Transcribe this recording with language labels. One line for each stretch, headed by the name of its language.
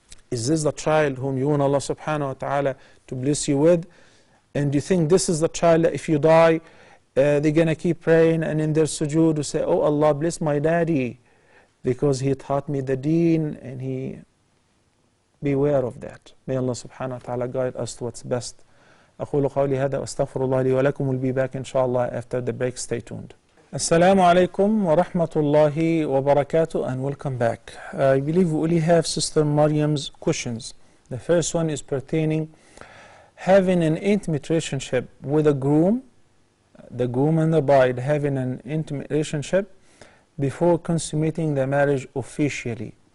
English: Is this the child whom you want Allah subhanahu wa ta'ala to bless you with? And do you think this is the child that if you die, they're going to keep praying and in their sujood to say, oh Allah, bless my daddy because he taught me the deen, and he, beware of that. May Allah subhanahu wa ta'ala guide us to what's best.
Arabic: أقول قولي هذا وأستغفر الله لي ولكم.
English: We'll be back inshallah after the break. Stay tuned. Assalamu alaikum wa rahmatullahi wa barakatuh, and welcome back. I believe we only have Sister Maryam's questions. The first one is pertaining having an intimate relationship with a groom, the groom and the bride having an intimate relationship before consummating the marriage officially.